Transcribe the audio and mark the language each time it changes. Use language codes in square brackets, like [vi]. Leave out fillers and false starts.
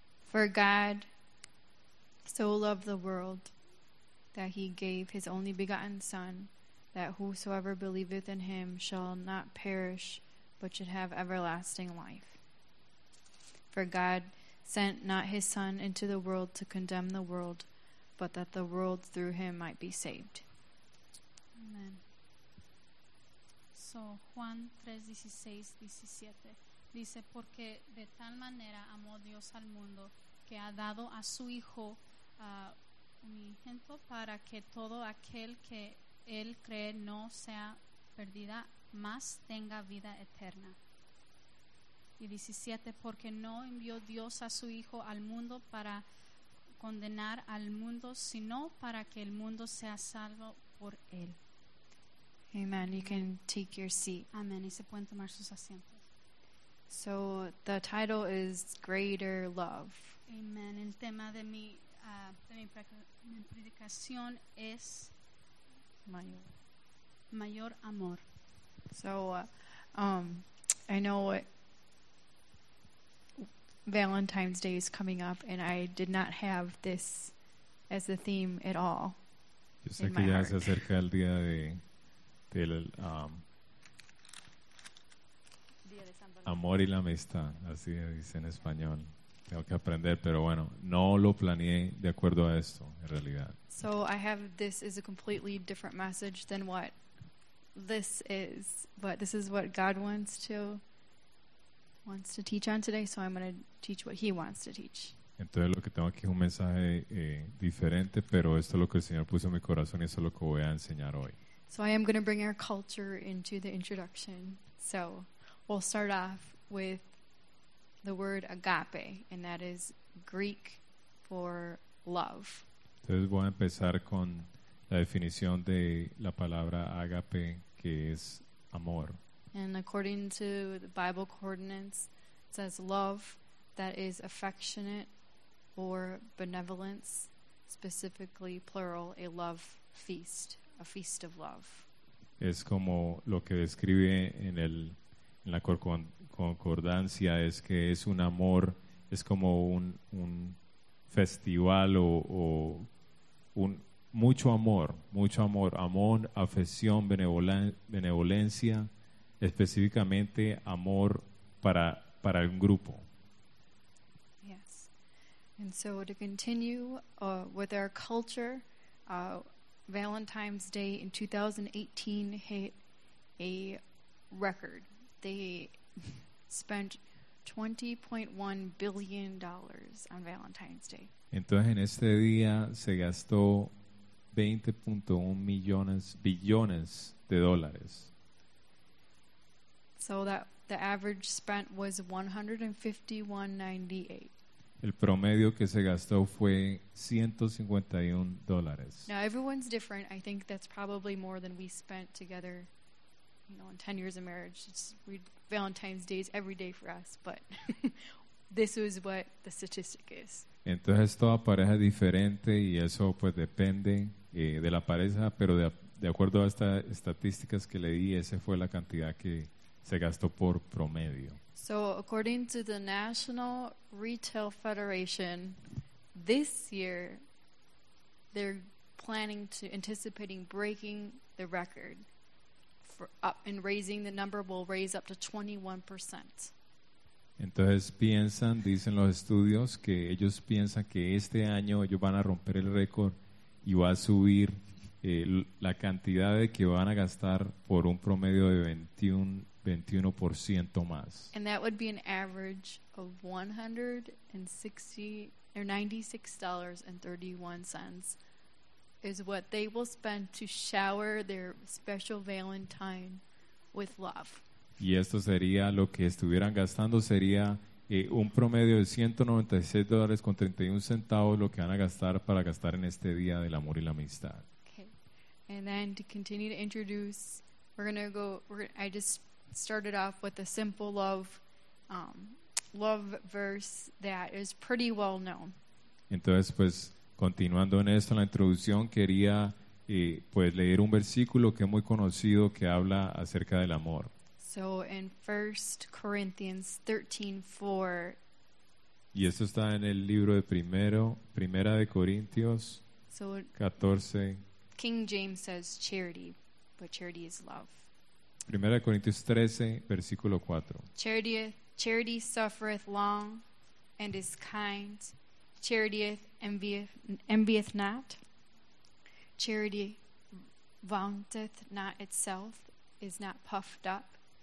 [en] For God so loved the world that he gave his only begotten Son, that whosoever believeth in him shall not perish, but should have everlasting life. For God sent not his Son into the world to condemn the world, but that the world through him might be saved. Amen. [es] So, Juan 3:16-17 dice, porque de tal manera amó Dios al mundo, que ha dado a su Hijo unigénito para que todo aquel que él cree no sea perdida, mas tenga vida eterna. Y 17, porque no envió Dios a su Hijo al mundo para condenar al mundo, sino para que el mundo sea salvo por él. [en] Amen. You can take your seat. [es] Amen. Y se pueden tomar sus asientos. [en] So the title is Greater Love. Amen. [es] El tema de mi predicación es mayor amor. [en] So I know Valentine's Day is coming up, and I did not have this as a theme at all. [es] Yo sé que ya se acerca el día del amor y la amistad, así dice en español. Tengo que aprender, pero bueno, no lo planeé de acuerdo a esto, en realidad. [en] So I have this is a completely different message than what this is, but this is what God wants to teach on today, so I'm going to teach what he wants to teach. [es] Entonces lo que tengo aquí es un mensaje diferente, pero esto es lo que el Señor puso en mi corazón y eso es lo que voy a enseñar hoy. [en] So I am going to bring our culture into the introduction. So we'll start off with the word agape, and that is Greek for love. [es] Entonces voy a empezar con la definición de la palabra agape, que es amor. [en] And according to the Bible coordinates, it says love that is affectionate for benevolence, specifically plural, a love feast, a feast of love. [es] Es como lo que describe en el en la concordancia es que es un amor, es como un festival o un mucho amor, amor, afección, benevolencia, específicamente amor para un grupo. [en] Yes. And so to continue with our culture, Valentine's Day in 2018 hit a record. They spent $20.1 billion on Valentine's Day. [es] Entonces en este día se gastó 20.1 millones billones de dólares. [en] So that the average spent was $151.98. [es] El promedio que se gastó fue $151. [en] Now everyone's different. I think that's probably more than we spent together, you know, in 10 years of marriage. It's Valentine's Day is every day for us, but this is what the statistic is. [es] Entonces toda pareja es diferente y eso pues depende de la pareja, pero de acuerdo a estas estadísticas que le di, esa fue la cantidad que se gastó por promedio. [en] So according to the National Retail Federation, this year they're planning to anticipating breaking the record for up and raising the number will raise up to 21%. [es] Entonces piensan, dicen los estudios, que ellos piensan que este año ellos van a romper el récord y va a subir la cantidad de que van a gastar por un promedio de 21% más. [en] And that would be an average of $96.31 is what they will spend to shower their special Valentine with love. [es] Y esto sería lo que estuvieran gastando, sería un promedio de $196.31 lo que van a gastar para gastar en este día del amor y la amistad. [en] Okay. And then to continue to introduce, I just started off with a simple love love verse that is pretty well known. [es] Entonces, pues, continuando en esto, en la introducción, quería pues leer un versículo que es muy conocido que habla acerca del amor. [en] So in 1 Corinthians 13:4. [es] Y esto está en el libro de Primera de Corintios 14. [en] King James says charity, but charity is love. [es] Primera de Corintios 13, versículo 4. [en] Charity suffereth long and is kind. Charity envieth not. Charity vaunteth not itself, is not puffed up.